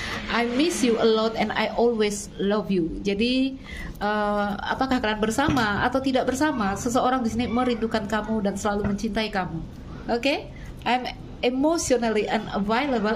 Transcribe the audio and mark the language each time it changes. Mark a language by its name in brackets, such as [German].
[English] I miss you a lot and I always love you. [Indonesian] Jadi apakah kalian bersama atau tidak bersama, seseorang di sini merindukan kamu dan selalu mencintai kamu. Oke? [English] Okay? I'm emotionally unavailable.